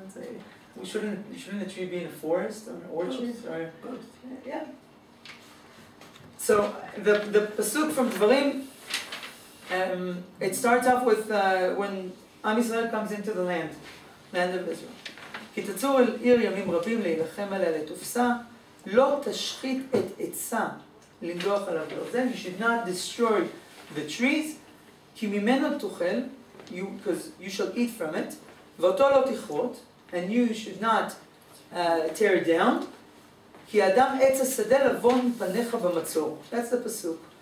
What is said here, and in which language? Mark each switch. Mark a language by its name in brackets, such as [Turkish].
[English] It's like, shouldn't a tree be in a forest or an orchard? Or So the pasuk from Dvarim, it starts off with when Am Yisrael comes into the land of Israel. [Hebrew] כי תצאו אל עיר ימים רבים להילחם עליה לתופסה, לא תשחית את עצה לנדוח עליו ברזל. [English] You should not destroy the trees, [Hebrew] כי ממנו תאכל, [English] because you shall eat from it, [Hebrew] ואותו לא תכרות, [English] and you should not tear it down, [Hebrew] כי אדם עץ השדה לבון פניך במצור. [English] That's the pasuk.